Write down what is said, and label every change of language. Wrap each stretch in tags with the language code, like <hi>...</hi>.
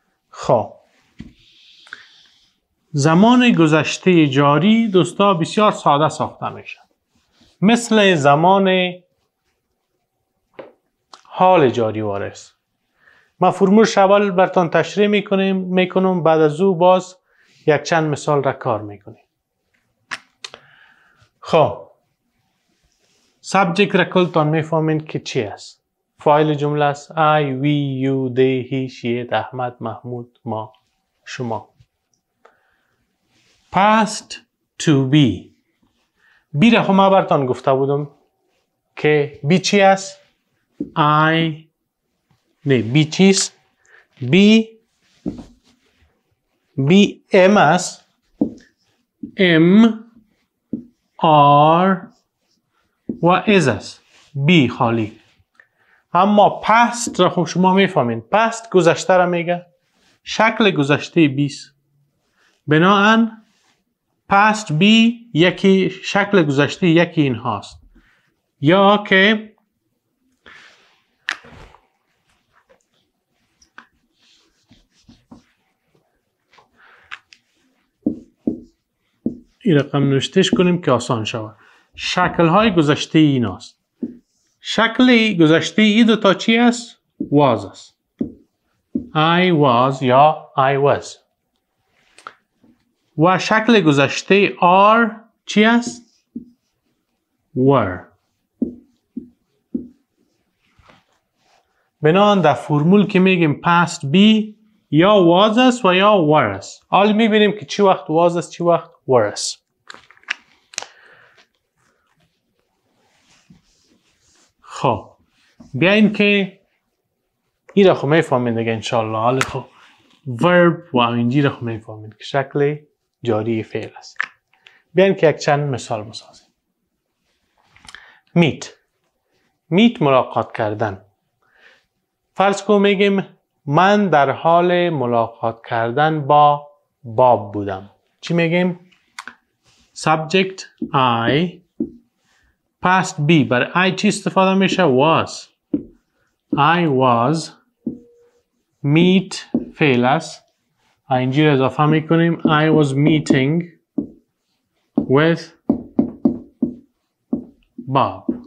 <fa>خب زمان گذشته جاری دوستا بسیار ساده ساخته میشه، مثل زمان حال جاری وارث. ما فرمول شوال برتان تشریح میکنم، بعد از او باز یک چند مثال را کار میکنیم. خب سبجکت را کلتان میفهمین که چی است؟ فایل جمله است.</fa> <en>I, we, you, they, he, she, it, Ahmad, Mahmoud, ما، شما. Past to be.</en> <fa>بی را هم براتون گفته بودم که بی چی است؟ I. نه، بی چیست؟ بی. بی ام است. M. R. و از است. بی خالی. اما پست را خب شما میفهمین. پست گذشته را میگه. شکل گذشته بیست. بناهن پست بی یکی شکل گذشته یکی این هاست. یا که این رقم نوشتش کنیم که آسان شود. شکل های گذشته این است. شکل گذشته ای دو تا چی است؟ was است.</fa> <en>I was یا I was.</en> <fa>و شکل گذشته are چی است؟ were. بنابراین در فرمول که میگیم past be یا was است و یا were است. حال می‌بینیم که چی وقت was است، چی وقت were است. خب بیاین که این را خو میفهمید دیگه انشاءالله. حال خب verb و اینجی را خو میفهمید که شکل جاری فعل است. بیاین که یک چند مثال بسازیم.</fa> <en>Meet.</en> <fa>Meet ملاقات کردن. فرض کن میگیم من در حال ملاقات کردن با باب بودم. چی میگیم؟</fa> <en>Subject I past be.</en> <fa>بر I چی استفاده میشه؟ Was.</fa> <en>I was.</en> <fa>Meet فعل است. اینجی رو اضافه میکنیم.</fa> <en>I was meeting with Bob.</en>